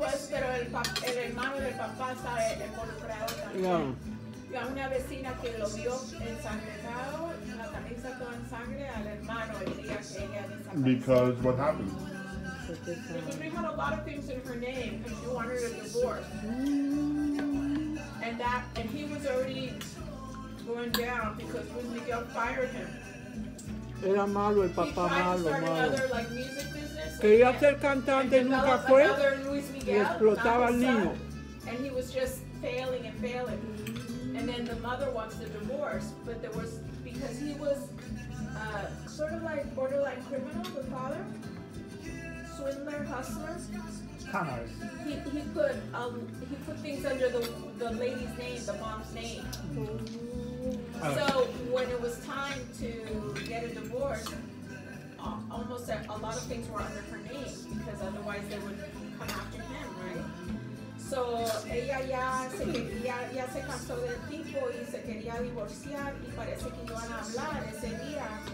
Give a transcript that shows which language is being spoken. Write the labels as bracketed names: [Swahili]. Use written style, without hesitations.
[Spanish] Pero el hermano del papá está involucrado también. Yeah. Y a una vecina que lo vio ensangrentado, la camisa toda en sangre, al hermano el día que ella desapareció. [English] Because what happened? Because we had a lot of things in her name because she wanted a divorce. And he was already going down because Luis Miguel fired him. [Spanish] Era malo, el papá malo, malo. [English] Another, [Spanish] like, quería ser cantante, nunca fue, Miguel, y explotaba al niño. [English] And he was just failing and failing. And then the mother wants the divorce, but there was, because he was sort of like borderline criminal, the father, swindler, hustler. He put things under the lady's name, the mom's name. Mm-hmm. So when it was time to get a divorce, almost a lot of things were under her name because otherwise they would come after him, right? [Spanish] So ella ya se cansó del tipo y se quería divorciar y parece que iban a hablar ese día.